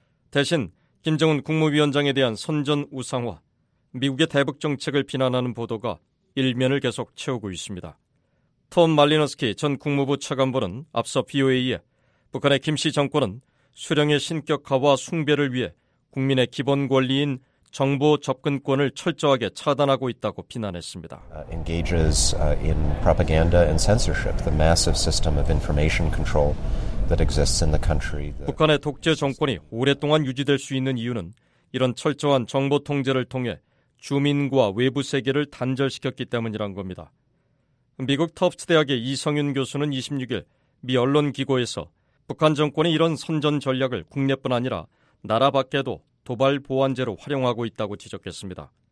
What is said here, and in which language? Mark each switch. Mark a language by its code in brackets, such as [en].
[ko] 대신 김정은 국무위원장에 대한 선전 우상화, 미국의 대북 정책을 비난하는 보도가 일면을 계속 채우고 있습니다. 톰 말리너스키 전 국무부 차관보는 앞서 BOA에 북한의 김씨 정권은 수령의 신격화와 숭배를 위해 국민의 기본 권리인 정보 접근권을 철저하게 차단하고 있다고 비난했습니다. [en] Engages in propaganda and censorship, the massive system of information control that exists in the country. [ko] 북한의 독재 정권이 오랫동안 유지될 수 있는 이유는 이런 철저한 정보 통제를 통해 주민과 외부 세계를 단절시켰기 때문이란 겁니다. 미국 터프트 대학의 이성윤 교수는 26일 미 언론 기고에서 북한 정권이 이런 선전 전략을 국내뿐 아니라 나라 밖에도 도발 보안제로 활용하고 있다고 지적했습니다.